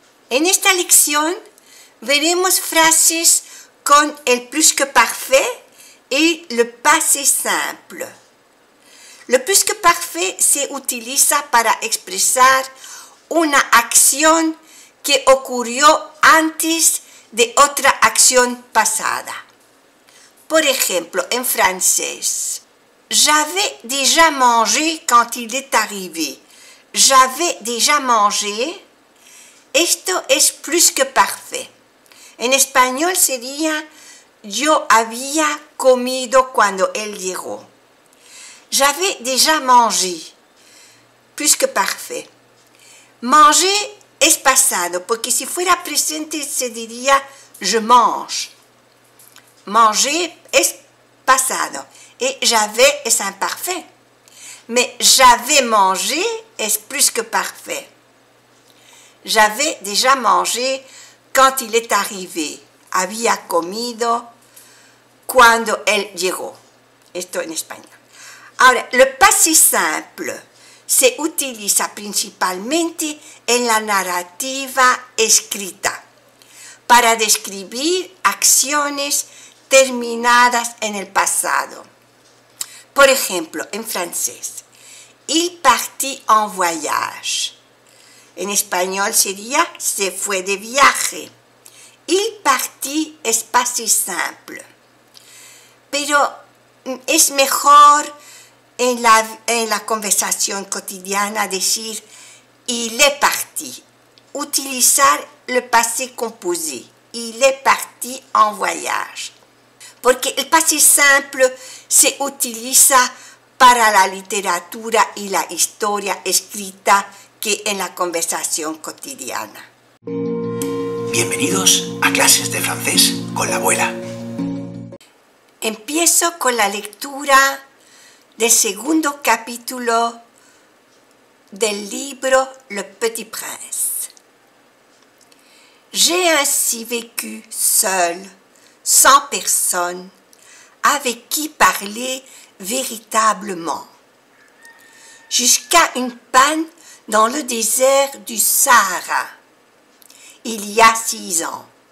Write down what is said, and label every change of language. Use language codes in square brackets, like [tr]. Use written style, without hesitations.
[es] En esta lección veremos frases con el plus que parfait y le passé simple. Le plus que parfait se utiliza para expresar una acción que ocurrió antes de otra acción pasada. Por ejemplo, en francés. [fr] J'avais déjà mangé quand il est arrivé. J'avais déjà mangé. [es] Esto es [fr] plus que parfait. [es] En español sería yo había comido cuando él llegó. [fr] J'avais déjà mangé. Plus que parfait. [es] Manger es pasado, porque si fuera presente se diría [fr] je mange. [es] Manger es pasado. [fr] Et j'avais [es] es imparfait. [fr] Mais j'avais mangé [es] es [fr] plus que parfait. J'avais déjà mangé quand il est arrivé. [es] Había comido cuando él llegó. Esto en español. Ahora, le passé simple se utiliza principalmente en la narrativa escrita para describir acciones terminadas en el pasado. Por ejemplo, en francés, [fr] il partit en voyage. [es] En español sería se fue de viaje. [fr] Il partit [es] es passé simple. Pero es mejor en la conversación cotidiana decir [fr] il est parti. [es] Utilizar le passé composé. [fr] Il est parti en voyage. [es] Porque el passé simple se utiliza para la literatura y la historia escrita que en la conversación cotidiana. Bienvenidos a clases de francés con la abuela. Empiezo con la lectura del segundo capítulo del libro Le Petit Prince. [fr] J'ai ainsi vécu seul, sans personne, avec qui parler véritablement. Jusqu'à une panne dans le désert du Sahara, il y a 6 ans.